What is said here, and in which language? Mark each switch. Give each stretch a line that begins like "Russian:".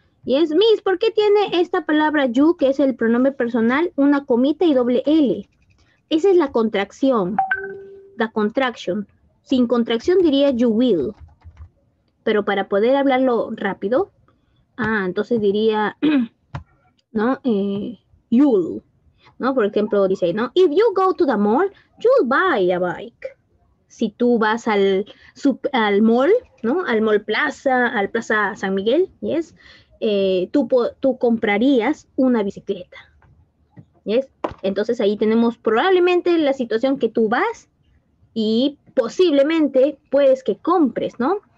English: Yes, Miss,
Spanish: ¿por qué tiene esta palabra you, que es el pronombre personal, una comita y doble L? Esa es la contracción,
English: the contraction.
Spanish: Sin contracción diría
English: you will.
Spanish: Pero para poder hablarlo rápido, ah, entonces diría, ¿no?
English: You'll,
Spanish: ¿no? Por ejemplo, dice, ¿no?
English: If you go to the mall, you'll buy a bike.
Spanish: Si tú vas al mall, ¿no? Al Mall Plaza, al Plaza San Miguel, ¿yes? Tú comprarías una bicicleta, ¿yes? Entonces ahí tenemos probablemente la situación que tú vas y posiblemente puedes que compres, ¿no?